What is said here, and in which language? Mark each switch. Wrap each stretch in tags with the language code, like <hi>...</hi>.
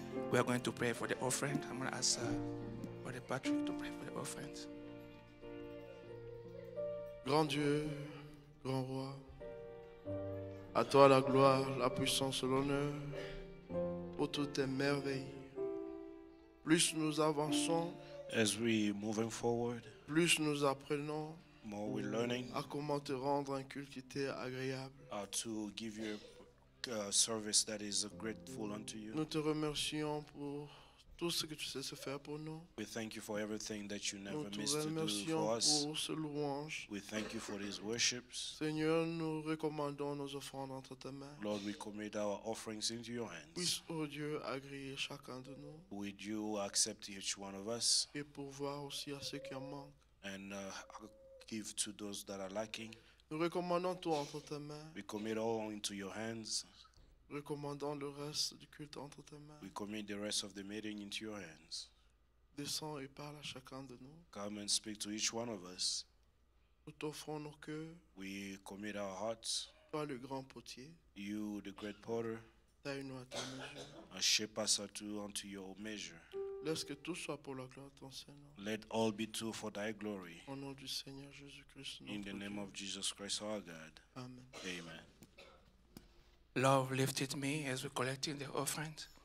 <en>We are going to pray for the offering. I'm going to ask Brother Patrick to pray for the offering.</en> <fr>Grand Dieu, grand roi, à toi la gloire, la puissance, l'honneur, pour toutes tes merveilles. Plus nous avançons,</fr> <en>as we moving forward,</en> <fr>plus nous apprenons,</fr> <en>more we're learning,</en> <fr>à comment te rendre un culte agréable,</fr> <en>to give you a service that is grateful unto you.</en> <fr>Nous te remercions pour tout ce que tu sais se faire pour nous.</fr> <en>We thank you for everything that you never</en> <fr>nous</fr> <en>miss to do for us.</en> <fr>Nous te remercions pour ce louange.</fr> <en>We thank you for these worships.</en> <fr>Seigneur, nous recommandons nos offrandes entre tes mains.</fr> <en>Lord, we commit our offerings into your hands.</en> <fr>Puisse, oh Dieu, agréer chacun de nous.</fr> <en>Would you accept each one of us?</en> <fr>Et pourvoir aussi à ceux qui en manquent.</fr> <en>And give to those that are lacking.</en> <fr>Nous recommandons tout entre tes mains.</fr> <en>We commit all into your hands.</en> <fr>Recommandons le reste du culte entre tes mains.</fr> <en>We commit the rest of the meeting into your hands.</en> <fr>Descends et parle à chacun de nous.</fr> <en>Come and speak to each one of us.</en> <fr>Nous t'offrons nos cœurs.</fr> <en>We commit our hearts.</en> <fr>Toi le grand potier.</fr> <en>You the great potter.</en> <fr>Taille-nous à ta mesure.</fr> <en>And shape us unto your measure.</en> <fr>Laisse que tout soit pour la gloire de ton Seigneur.</fr> <en>Let all be too for thy glory.</en> <fr>Au nom du Seigneur Jésus-Christ, notre Dieu.</fr> <en>In the name of Jesus Christ, our God. Amen. Amen. Love lifted me as we collected the offering.</en>